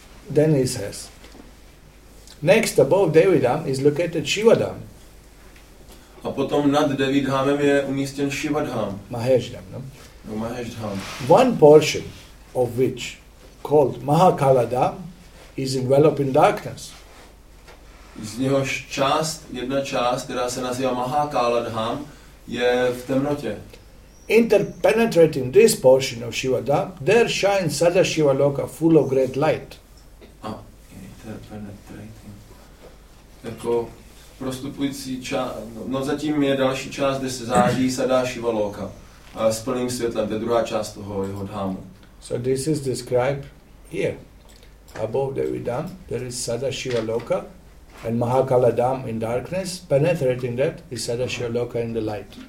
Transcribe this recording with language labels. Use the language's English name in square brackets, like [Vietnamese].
[English] Then he says, next above Devidam is located Shivadam. [Czech] A potom nad Devidhamem je umístěn Shivadham. [English] Maheshdham, no? No, Maheshdham. One portion of which, called Mahakaladam, is enveloped in darkness. [Czech] Z něhož jedna část, která se nazývá Mahakaladham, je v temnotě. [English] Interpenetrating this portion of Shivadam, there shines Sadashiva Loka full of great light. Interpenetrating. [Czech] Jako prostupující část, no zatím je další část, kde se září Sadashiva Loka s plným světlem, to je druhá část toho jeho dhámu. [English] So this is described here. Above Devidam, there is Sadashiva Loka, and Mahakala Dam in darkness, penetrating that is Sadashiva Loka in the light.